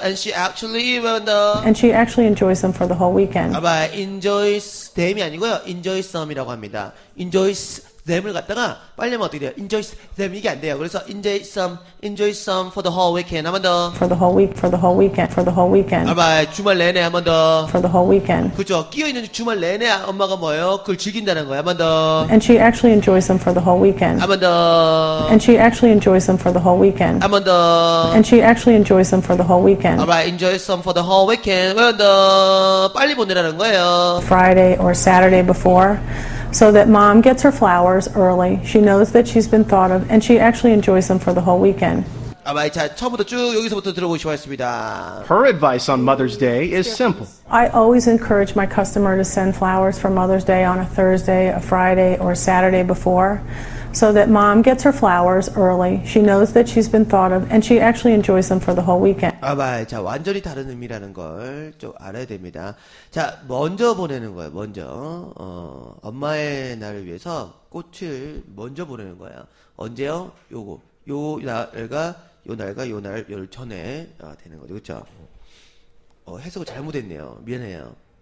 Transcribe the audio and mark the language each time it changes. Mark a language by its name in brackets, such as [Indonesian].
[English] And she actually [Korean] 한번 더. [English] And she actually enjoys them for the whole weekend. [Korean] 아, 봐요. [English] Enjoys them [Korean] 이 아니고요. [English] Enjoys some [Korean] 이라고 합니다. [English] Enjoys them [Korean] 을 갖다가 빨리면 어떻게 돼요? [English] Enjoys them [Korean] 이게 안 돼요. 그래서 [English] enjoy some for the whole weekend. [Korean] 한 번 더. [English] For the whole weekend. [Korean] 아, 봐요. 주말 내내 한 번 더. [English] For the whole weekend. [Korean] 그렇죠. 끼어 있는 주말 내내 엄마가 뭐예요? 그걸 즐긴다는 거예요. 한 번 더. [English] And she actually enjoys them for the whole weekend. [Korean] 한 번 더. [English] And she actually enjoys them for the whole weekend. [Korean] 한 번 더. [English] And she actually enjoys them for the whole weekend. All right. Enjoy some for the whole weekend. [Korean] 한 번 더. 빨리 보내라는 거예요. [English] Friday or Saturday before. So that mom gets her flowers early. She knows that she's been thought of and she actually enjoys them for the whole weekend. [Korean] 아, 봐요. 자, 처음부터 쭉 여기서부터 들어보시기 바랍니다. [English] Her advice on Mother's Day is simple. I always encourage my customer to send flowers for Mother's Day on a Thursday, a Friday, or a Saturday before. So that mom gets her flowers early. She knows that she's been thought of and she actually enjoys them for the whole weekend. [Korean] 아, 봐요. 자, 완전히 다른 의미라는 걸 좀 알아야 됩니다. 자, 먼저 보내는 거예요. 먼저. 엄마의 날을 위해서 꽃을 먼저 보내는 거예요. 언제요? 요거. 요 날과 요 날과 요 날 열 전에 되는 거죠. 그렇죠? 해석을 잘못했네요. 미안해요.